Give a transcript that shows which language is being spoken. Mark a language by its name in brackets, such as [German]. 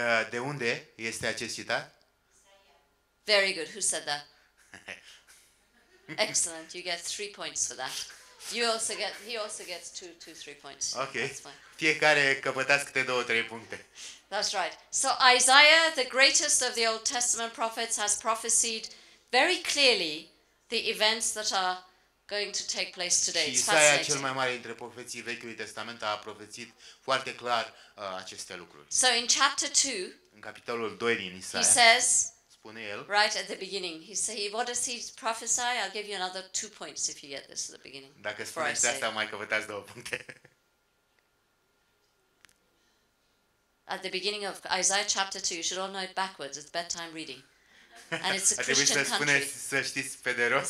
[Romanian] De unde este acest citat? [English] Very good. Who said that? Excellent. You get 3 points for that. You also get. He also gets 2, 3 points. Okay. [Romanian] Fiecare căpătați câte 2-3 puncte. [English] That's right. So Isaiah, the greatest of the Old Testament prophets, has prophesied very clearly the events that are going to take place today. [Romanian] Și Isaia, cel mai mare dintre profeții Vechiului Testament, a profețit foarte clar aceste lucruri. [English] So in chapter 2, [Romanian] în capitolul 2 din Isaia, [English] he says. [Romanian] El, [English] right at the beginning, he says, "What does he prophesy?" I'll give you another 2 points if you get this at the beginning. [Romanian] Dacă spuneți asta, mai căpătați 2 puncte. [English] At the beginning of Isaiah chapter 2, you should all know it backwards. It's bedtime reading, and it's a Christian country. [Romanian] Trebuie să spuneți, să știți pe de rost.